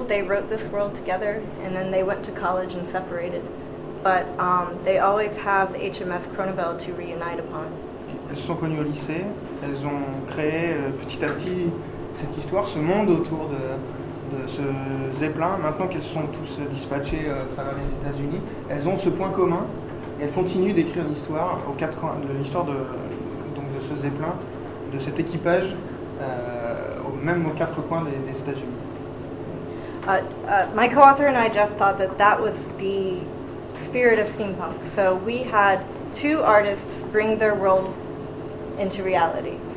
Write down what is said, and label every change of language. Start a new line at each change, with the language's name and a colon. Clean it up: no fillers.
English: They wrote this world together, and then they went to college and separated. But they always have the HMS Chronobel to reunite upon.
French: Elles se sont connues au lycée. Elles ont créé petit à petit cette histoire, ce monde autour de ce zeppelin. Maintenant qu'elles sont tous dispatchées à travers les États-Unis, elles ont ce point commun et elles continuent d'écrire l'histoire aux quatre coins de l'histoire de ce zeppelin, de cet équipage. Même aux quatre coins des États-Unis.
English: My co-author and I, Jeff, thought that was the spirit of steampunk. So we had two artists bring their world into reality.